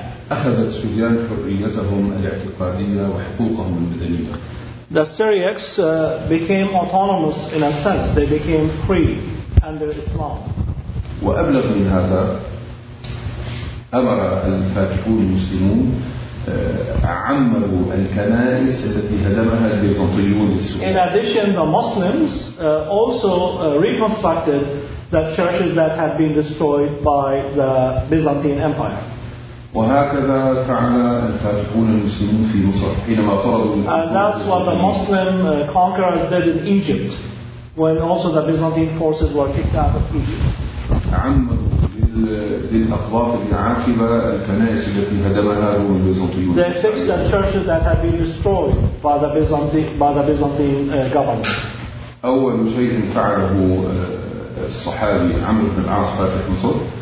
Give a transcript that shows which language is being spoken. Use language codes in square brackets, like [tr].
[ar] أخذت سوريان حريتهم الاعتقادية وحقوقهم المدنية. [en] The Syriacs became autonomous in a sense. They became free under Islam. [ar] وأبلغ من هذا أمر الفاتحون المسلمون عمروا الكنائس التي هدمها البيزنطيون السوري. [en] In addition, the Muslims also reconstructed the churches that had been destroyed by the Byzantine Empire. [ar] وهكذا فعل الفاتحون المسلمون في مصر حينما طردوا. [en] And that's what the Muslim conquerors did in Egypt, when also the Byzantine forces were kicked out of Egypt. [ar] عمروا للأقباط العاقبة الكنائس التي هدمها البيزنطيون. [en] They fixed the churches that had been destroyed by the Byzantine government. [ar] أول شيء فعله الصحابي عمرو بن العاص فاتح مصر.